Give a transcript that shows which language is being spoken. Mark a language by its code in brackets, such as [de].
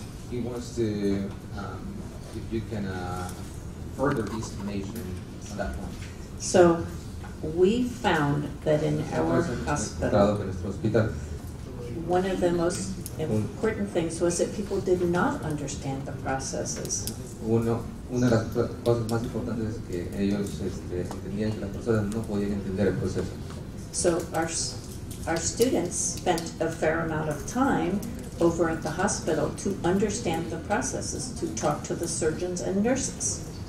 [en] He wants to, if you can further the estimation on that point. So we found that in our hospital, one of the most important things was that people did not understand the processes. [es] Una de las cosas más importantes es que ellos entendían que las personas no podían entender el proceso. [en] So our students spent a fair amount of time over at the hospital to understand the processes, to talk to the surgeons and nurses.